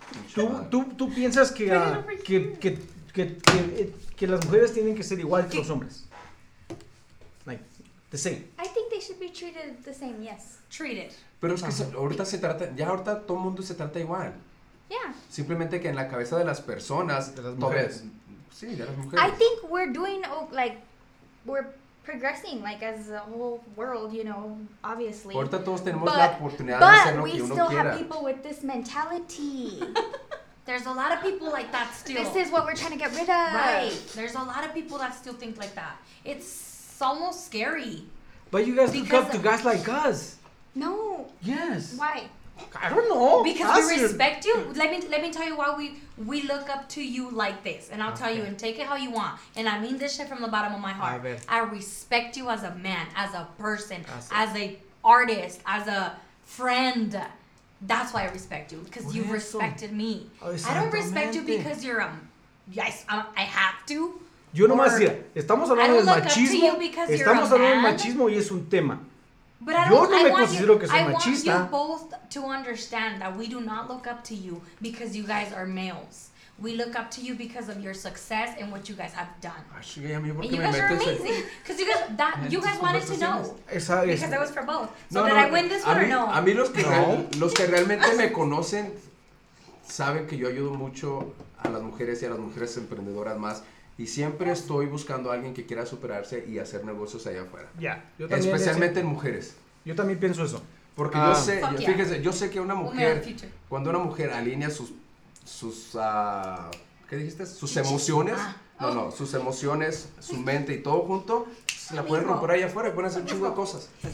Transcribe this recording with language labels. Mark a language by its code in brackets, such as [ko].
[es] ¿Tú piensas que las mujeres tienen que ser igual que los hombres? [en] Like, the same. I think they should be treated the same, yes. Treated. [es] Pero es que ahorita se trata, ya ahorita todo el mundo se trata igual. [en] Yeah. [es] Simplemente que en la cabeza de las personas, de las mujeres. Sí, de las mujeres. [en] I think we're doing, like, we're progressing, like, as a whole world, you know, obviously. [es] Ahorita todos tenemos la oportunidad de hacer lo que uno quiera. [en] But we still have people with this mentality. There's a lot of people like that still. This is what we're trying to get rid of. Right. There's a lot of people that still think like that. It's almost scary. But you guys look up to guys like us. No. Yes. Why? I don't know. Because we respect you. Let me tell you why we look up to you like this. And I'll tell you and take it how you want. And I mean this shit from the bottom of my heart. I respect you as a man, as a person, as a artist, as a friend. That's why I respect you. Because you respected me. I don't respect you because you're a... Yes, I have to. [es] Yo no más decía, estamos hablando del machismo. Estamos hablando del machismo y es un tema. [en] But I don't, I want you both to understand that we do not look up to you because you guys are males. We look up to you because of your success and what you guys have done. And you guys are amazing. Because you guys wanted to know. Because that was for both. So no, did I win this one or no? [es] A mí los que realmente me conocen saben que yo ayudo mucho a las mujeres y a las mujeres emprendedoras más. Y siempre estoy buscando a alguien que quiera superarse y hacer negocios allá afuera. Ya. [en] Yeah, [es] especialmente en mujeres. Yo también pienso eso. Porque yo sé, fíjese, yo sé que una mujer, cuando una mujer alinea sus emociones, su mente y todo junto, se la pueden romper allá afuera y pueden hacer un chingo de cosas.